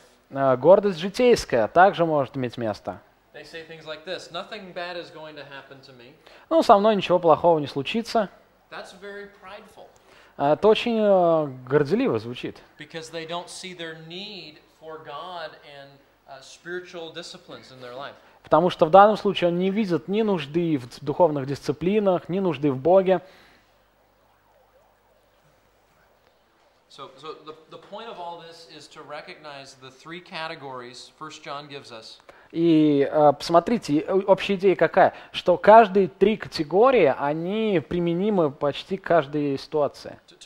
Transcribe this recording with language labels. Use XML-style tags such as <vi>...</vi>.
<ru>Гордость житейская также может иметь место.</ru> <en>They say things like this. Nothing bad is going to happen to me.</en> <ru>Ну, со мной ничего плохого не случится.</ru> <en>That's very prideful.</en> <ru>Это очень горделиво звучит.</ru> <en>Because they don't see their need for God and spiritual disciplines in their life.</en> <ru>Потому что в данном случае они не видят ни нужды в духовных дисциплинах, ни нужды в Боге.</ru> <en>So the point of all this is to recognize the three categories 1 John gives us.</en> <ru>И посмотрите, общая идея какая? Что каждые три категории, они применимы почти к каждой ситуации.</ru>